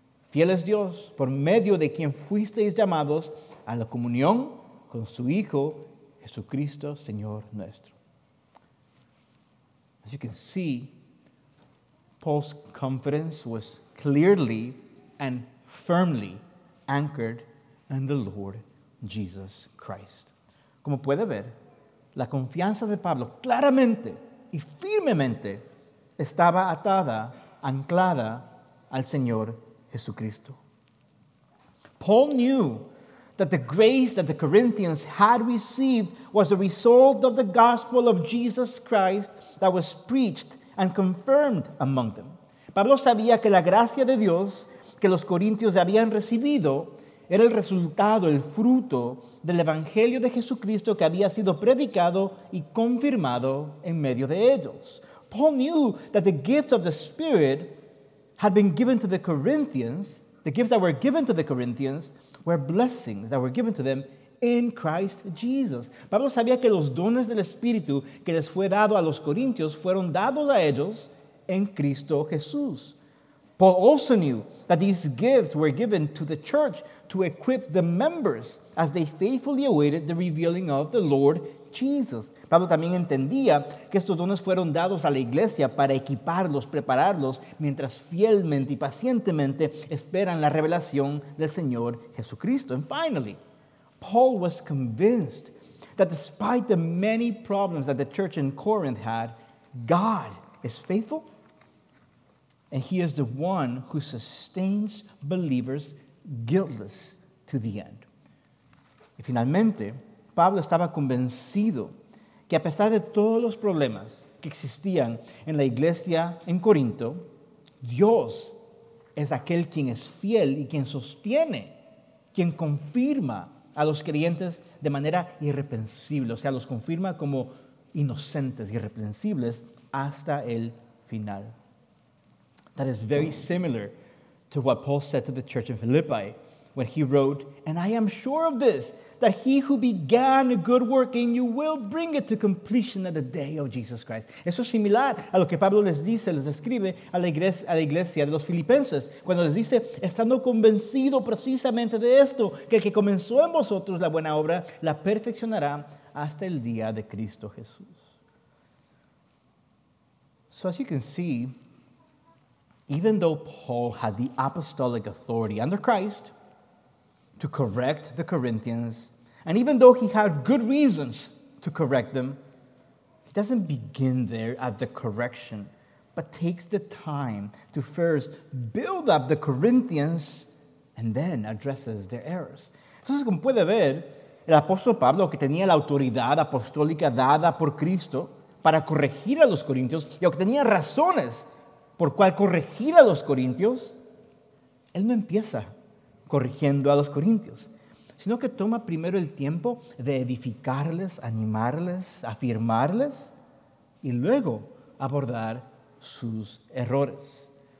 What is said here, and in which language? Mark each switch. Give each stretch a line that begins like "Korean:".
Spanish: Fiel es Dios, por medio de quien fuisteis llamados a la comunión con su Hijo Jesucristo, Señor nuestro.
English: As you can see, Paul's confidence was clearly and firmly anchored in the Lord Jesus Christ.
Spanish: Como puede ver, la confianza de Pablo claramente y firmemente estaba atada, anclada al Señor Jesucristo.
English: Paul knew that the grace that the Corinthians had received was a result of the gospel of Jesus Christ that was preached and confirmed among them.
Spanish: Pablo sabía que la gracia de Dios que los corintios habían recibido era el resultado, el fruto del evangelio de Jesucristo que había sido predicado y confirmado en medio de ellos.
English: Paul knew that the gifts of the Spirit had been given to the Corinthians, the gifts that were given to the Corinthians were blessings that were given to them in Christ Jesus.
Spanish: Pablo sabía que los dones del Espíritu que les fue dado a los corintios fueron dados a ellos en Cristo Jesús.
English: Paul also knew that these gifts were given to the church to equip the members as they faithfully awaited the revealing of the Lord Jesus.
Spanish: Pablo también entendía que estos dones fueron dados a la iglesia para equiparlos, prepararlos, mientras fielmente y pacientemente esperan la revelación del Señor Jesucristo.
English: And finally, Paul was convinced that despite the many problems that the church in Corinth had, God is faithful, and he is the one who sustains believers guiltless to the end.
Spanish: Y finalmente, Pablo estaba convencido que a pesar de todos los problemas que existían en la iglesia en Corinto, Dios es aquel quien es fiel y quien sostiene, quien confirma a los creyentes de manera irreprensible, o sea, los confirma como inocentes, irreprensibles, hasta el final.
English: That is very similar to what Paul said to the church in Philippi when he wrote, "And I am sure of this, that he who began a good work in you will bring it to completion at the day of Jesus Christ."
Spanish: Eso es similar a lo que Pablo les dice, les escribe a la iglesia de los filipenses, cuando les dice, estando convencido precisamente de esto, que el que comenzó en vosotros la buena obra la perfeccionará hasta el día de Cristo Jesús.
English: So as you can see, even though Paul had the apostolic authority under Christ to correct the Corinthians, and even though he had good reasons to correct them, he doesn't begin there at the correction, but takes the time to first build up the Corinthians and then addresses their errors.
Spanish: Entonces, como puede ver, el apóstol Pablo, que tenía la autoridad apostólica dada por Cristo para corregir a los corintios, y aunque tenía razones por cual corregir a los corintios, él no empieza corrigiendo a los corintios, sino que toma primero el tiempo de edificarles, animarles, afirmarles, y luego abordar sus errores.